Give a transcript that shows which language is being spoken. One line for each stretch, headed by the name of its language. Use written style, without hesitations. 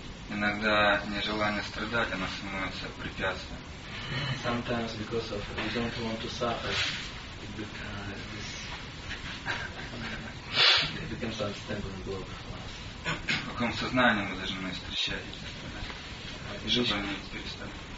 Russian: Иногда нежелание страдать, оно становится препятствием.
English: Sometimes because of we don't want to suffer, it becomes an unstable block for us.
Russian: В каком сознании мы должны встречать эти страдания, чтобы они перестали?